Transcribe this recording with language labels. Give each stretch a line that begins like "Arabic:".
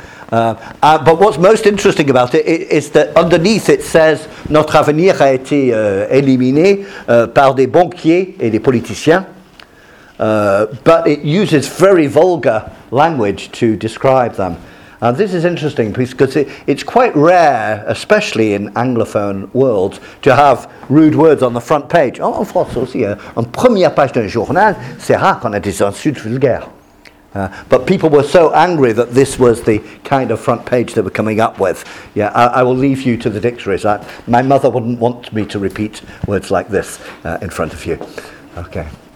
English: But what's most interesting about it is that underneath it says
French: notre avenir a été éliminé par des banquiers et des politiciens.
English: But it uses very vulgar language to describe them. And this is interesting because it's quite rare, especially in anglophone worlds, to have rude words on the front page.
French: Oh, en France aussi, en première page d'un journal, c'est rare qu'on ait des insultes vulgaires.
English: But people were so angry that this was the kind of front page they were coming up with. Yeah, I will leave you to the dictionaries. My mother wouldn't want me to repeat words like this in front of you. Okay.